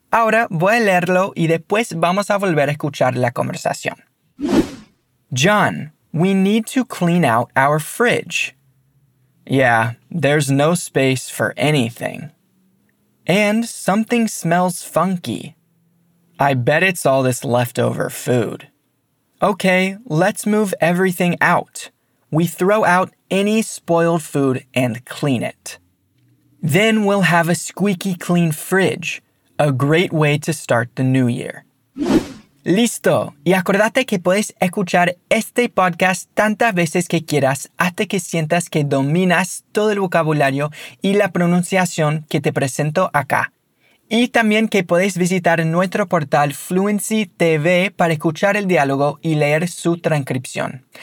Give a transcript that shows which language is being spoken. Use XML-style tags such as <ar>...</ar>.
<es>Ahora voy a leerlo y después vamos a volver a escuchar la conversación.</es> <en>John, we need to clean out our fridge. Yeah, there's no space for anything. And something smells funky. I bet it's all this leftover food. Okay, let's move everything out. We throw out any spoiled food and clean it. Then we'll have a squeaky clean fridge, a great way to start the new year.</en> <es>Listo. Y acordate que puedes escuchar este podcast tantas veces que quieras hasta que sientas que dominas todo el vocabulario y la pronunciación que te presento acá. Y también que puedes visitar nuestro portal Fluency TV para escuchar el diálogo y leer su transcripción.</es>